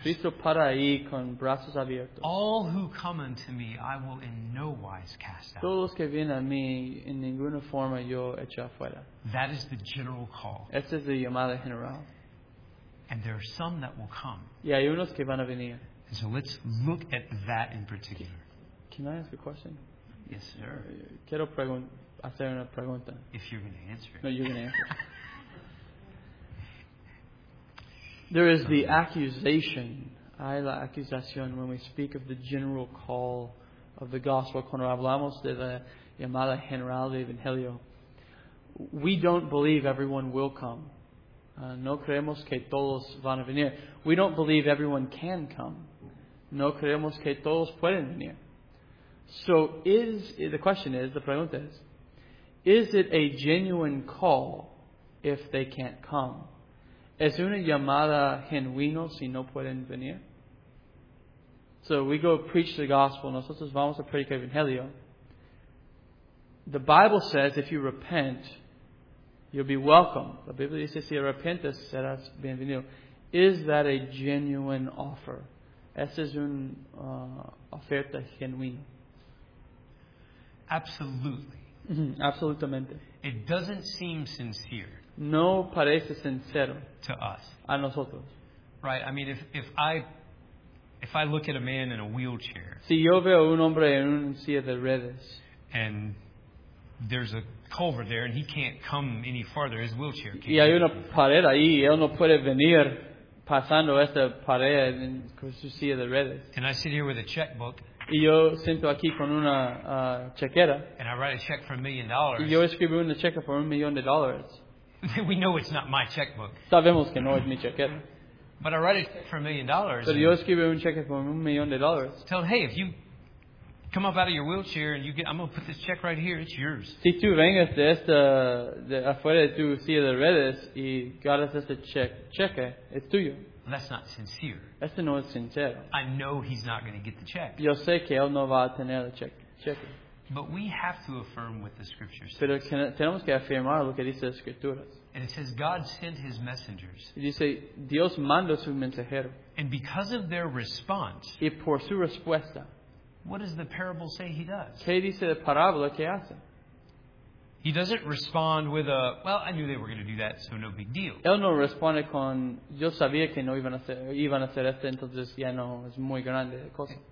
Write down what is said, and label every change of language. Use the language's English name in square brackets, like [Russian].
[Spanish] Cristo para ahí con brazos abiertos. [English] All who come unto me, I will in no wise cast out. [Spanish] Todos que vienen a mí, en ninguna forma yo echo afuera. [English] That is the general call. [Spanish] Este es el llamado general. [English] And there are some that will come. [Spanish] Y hay unos que van a venir. [English] And so let's look at that in particular. Can I ask a question? Yes, sir. [Spanish] Quiero hacer una pregunta. [English] If you're going to answer it. No, you're going to answer it. There is the accusation. [Spanish] Hay la acusación [English] when we speak of the general call of the gospel. [Spanish] Cuando hablamos de la llamada general del evangelio. [English] We don't believe everyone will come. [Spanish] No creemos que todos van a venir. [English] We don't believe everyone can come. [Spanish] No creemos que todos pueden venir. [English] So the pregunta is, is it a genuine call if they can't come? [Spanish] ¿Es una llamada genuino si no pueden venir? [English] So we go preach the gospel. [Spanish] Nosotros vamos a predicar el evangelio. [English] The Bible says if you repent, you'll be welcome. [Spanish] La Biblia dice si arrepentes, serás bienvenido. [English] Is that a genuine offer? [Spanish] ¿Esa es una oferta genuina? [English] Absolutely. [Spanish] Absolutamente. [English] It doesn't seem sincere. [Spanish] No parece sincero. [English] To us. [Spanish] A nosotros. [English] Right, I mean, if I look at a man in a wheelchair. [Spanish] Si yo veo un hombre en una silla de ruedas. [English] And there's a culvert there and he can't come any farther. His wheelchair can't. [Spanish] Y hay una pared ahí y él no puede venir pasando esta pared en su silla de ruedas. [English] And I sit here with a checkbook. [Spanish] Y yo siento aquí con una chequera. [English] And I write a check for $1 million. [Spanish] Y yo escribo una cheque por $1 million. [English] We know it's not my checkbook. [Spanish] Sabemos que no es mi chequera. [English] But I write a check for $1 million. [Spanish] Pero yo escribo un cheque por $1 million. [English] Tell him, hey, if you come up out of your wheelchair and you get, I'm going to put this check right here, it's yours. [Spanish] Si tú vengas de esta, de afuera de tu silla de ruedas y ganas este cheque, es tuyo. [English] That's not sincere. [Spanish] Esto no es sincero. [English] I know he's not going to get the check. [Spanish] Yo sé que él no va a tener el cheque. [English] But we have to affirm what the scripture says. [Spanish] Pero tenemos que afirmar lo que dice las escrituras. [English] And it says God sent his messengers. [Spanish] Y dice, Dios mandó su mensajero. [English] And because of their response. [Spanish] Y por su respuesta. [English] What does the parable say he does? [Spanish] ¿Qué dice la parábola que hace? [English] He doesn't respond with a, well, I knew they were going to do that, so no big deal. [Spanish] Él no responde con, yo sabía que no iban a hacer esto, entonces ya no, es muy grande la cosa.